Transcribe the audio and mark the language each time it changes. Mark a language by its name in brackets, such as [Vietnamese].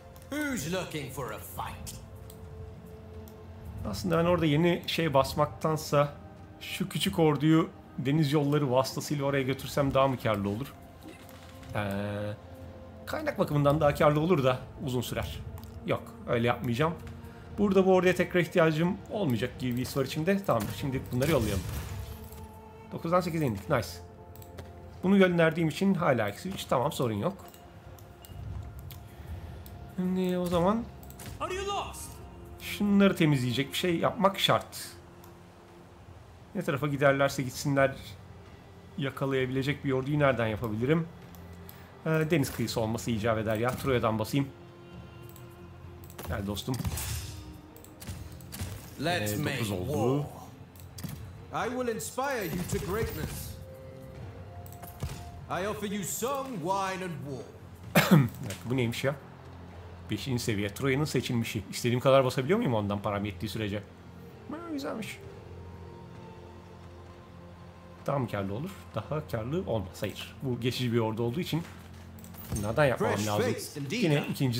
[English] Who's looking for a fight? [Turkish] Aslında ben orada yeni şey basmaktansa şu küçük orduyu deniz yolları vasıtasıyla oraya götürsem daha mı karlı olur? Kaynak bakımından daha karlı olur da uzun sürer. Yok, öyle yapmayacağım. Burada bu orduya tekrar ihtiyacım olmayacak gibi bir his var içimde. Tamamdır, şimdi bunları yollayalım. 9'dan 8'e indik, nice. Bunu gönderdiğim için hala -3, tamam, sorun yok. Şimdi o zaman şunları temizleyecek bir şey yapmak şart. Ne tarafa giderlerse gitsinler, yakalayabilecek bir orduyu nereden yapabilirim? Deniz kıyısı olması icap eder ya, Troya'dan basayım. Gel dostum. 9 oldu. [English] I will inspire you to greatness. I offer you song, wine and war. [Turkish] Bu neymiş ya? 5. seviye Troya'nın seçilmişi. İstediğim kadar basabiliyor muyum ondan param yettiği sürece? Ha, güzelmiş. Daha mı karlı olur? Daha karlı olmaz. Hayır. Bu geçici bir ordu olduğu için bunlardan yapmam lazım. Yine 2.